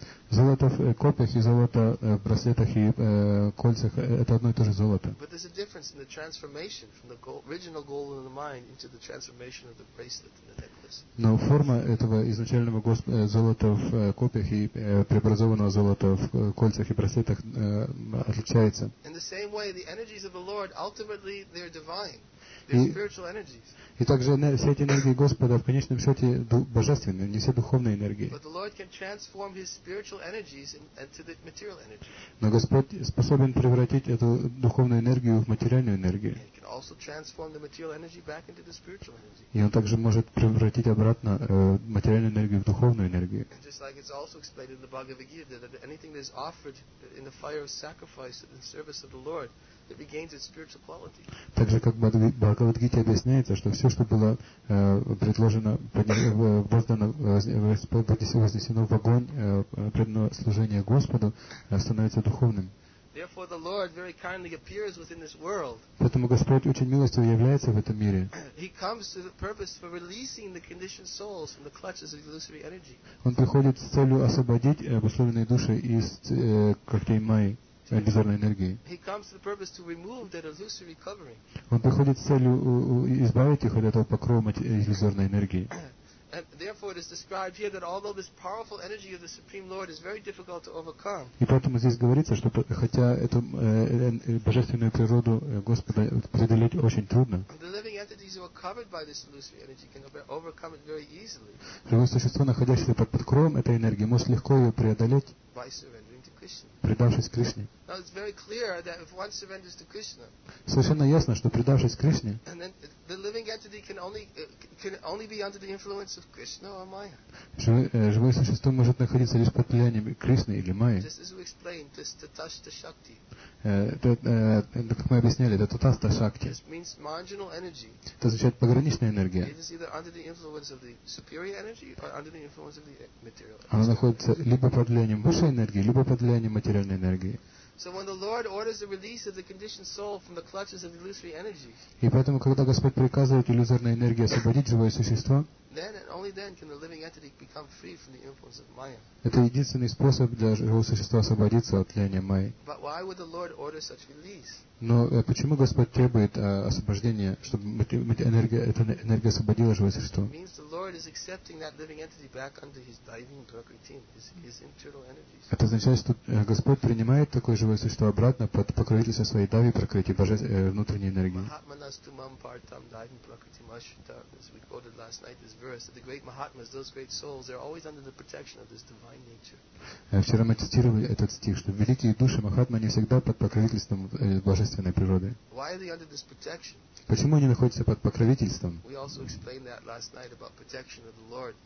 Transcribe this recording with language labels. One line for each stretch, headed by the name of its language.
Russian: Золото в копьях и золото в браслетах и кольцах это одно и то же золото.
English: But there's a difference in the transformation from the gold, original gold in the mine into the transformation of the bracelet and the necklace.
Russian: Но форма этого изначального золота в копьях и преобразованного золота в кольцах и браслетах отличается.
English: In the same way, the energies of the Lord ultimately they're divine. They're spiritual energies.
Russian: И также все эти энергии Господа в конечном счете божественные, не все духовные энергии.
English: But the Lord can transform His spiritual energies into the material energy.
Russian: Но Господь способен превратить эту духовную энергию в материальную энергию.
English: He can also transform the material energy back into the spiritual energy.
Russian: И он также может превратить обратно материальную энергию в духовную энергию.
English: And just like it's also explained in the Bhagavad Gita that anything that is offered in the fire of sacrifice in service of the Lord, it regains its spiritual quality.
Russian: Также как Бхагавад-гите объясняется, что все, что было предложено, воздано, вознесено в огонь преданного служения Господу, становится духовным.
English: Therefore, the Lord very kindly appears within this world.
Russian: Поэтому Господь очень милостиво является в этом мире.
English: He comes to the purpose for releasing the conditioned souls from the clutches of illusory energy.
Russian: Он приходит с целью освободить обусловленные души из когтей майи.
English: He comes to the purpose to remove that illusory covering.
Russian: Он приходит с целью избавить их от этого покрова иллюзорной энергии.
English: And therefore, it is described here that although this powerful energy of the Supreme Lord is very difficult to overcome.
Russian: И поэтому здесь говорится, что хотя эту божественную природу Господа преодолеть очень трудно.
English: The living entities who are covered by this illusory energy can overcome it very easily.
Russian: Живое существо, находящееся под покровом этой энергии, может легко ее преодолеть.
English: By surrendering to Krishna.
Russian: Предавшись Кришне.
English: Now it's very clear that if one surrenders to Krishna,
Russian: совершенно ясно, что предавшись Кришне,
English: and then the living entity can only be under the influence of Krishna or Maya.
Russian: Живое существо может находиться лишь под влиянием Кришны или Майи.
English: Just as we explained, this tatastha shakti.
Russian: Как мы объясняли, это tatastha shakti.
English: This means marginal energy.
Russian: Это означает пограничная энергия.
English: It is either under the influence of the superior energy or under the influence of the material.
Russian: Она находится либо под влиянием высшей энергии, либо под влиянием материальной энергии.
English: So when the Lord orders the release of the conditioned soul from the clutches of illusory energy,
Russian: и поэтому, когда Господь приказывает иллюзорной энергии освободить живое существо,
English: then and only then can the living entity become free from the influence of Maya.
Russian: Это единственный способ для живого существа освободиться от влияния Майи.
English: But why would the Lord order such release?
Russian: Но почему Господь требует освобождения, чтобы эта энергия освободила живое существо?
English: It means the Lord is accepting that living entity back under His divine prakriti, His internal energies.
Russian: Это означает, что Господь принимает такое живое существо обратно под покровительство своей дайви прокрити, внутренней энергии.
Sanskrit: Mahatmanas tumam partam divine prakriti mashita.
English: As we quoted last night, this verse that the great mahatmas, those great souls, they're always under the protection of this divine nature.
Russian: Вчера мы цитировали этот стих, что великие души махатмы не всегда под покровительством божественной природы.
English: Why are they under this protection?
Russian: Почему они находятся под покровительством?
English: We also explained that last night about protection of the Lord.